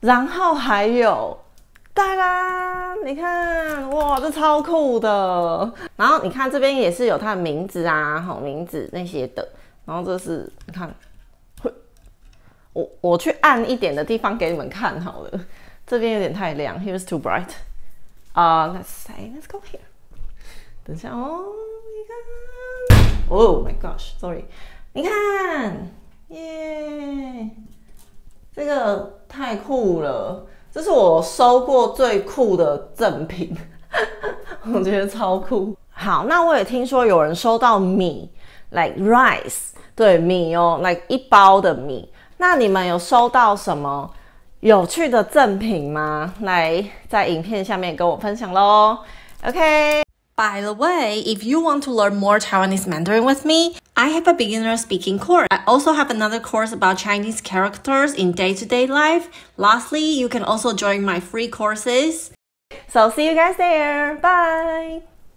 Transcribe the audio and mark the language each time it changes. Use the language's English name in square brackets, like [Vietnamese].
[Chinese] 然后还有，哒啦，你看，哇，这超酷的。然后你看这边也是有他的名字啊，好名字那些的。然后这是你看，我去暗一点的地方给你们看好了。这边有点太亮 ， [English] here is too bright。 Let's go here。 [Chinese] 等一下哦，你看 ， [English] Oh my gosh，sorry， [Chinese] 你看，耶、yeah.。这个太酷了，这是我收过最酷的赠品，我觉得超酷。好，那我也听说有人收到米 ， [English] like rice， [Chinese] 对，米哦 ，like 一包的米。那你们有收到什么有趣的赠品吗？来，在影片下面跟我分享咯。OK。 [English] By the way, if you want to learn more Taiwanese Mandarin with me, I have a beginner speaking course. I also have another course about Chinese characters in day-to-day life. Lastly, you can also join my free courses. So see you guys there. Bye.